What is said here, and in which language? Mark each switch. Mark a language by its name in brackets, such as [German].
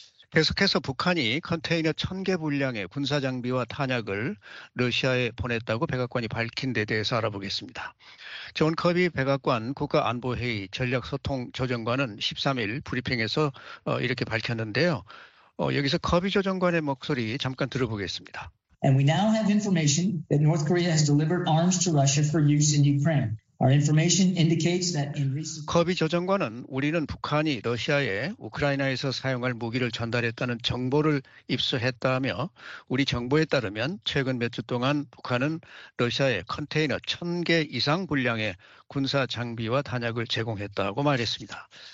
[Korean] 계속해서 북한이 컨테이너 1,000개 분량의 군사 장비와 탄약을 러시아에 보냈다고 백악관이 밝힌 데 대해서 알아보겠습니다. 존 커비 백악관 국가안보회의 전략소통 조정관은 13일 브리핑에서 이렇게 밝혔는데요. 여기서 커비 조정관의 목소리 잠깐 들어보겠습니다. [English] And we now have information that North Korea has delivered arms to Russia for use in Ukraine. Our information indicates that in recent [Korean] 커비 조정관은 우리는 북한이 러시아에 우크라이나에서 사용할 무기를 전달했다는 정보를 입수했다며 우리 정보에 따르면 최근 몇 주 동안 북한은 러시아에 컨테이너 1,000개 이상 분량의 군사 장비와 탄약을 제공했다고 말했습니다.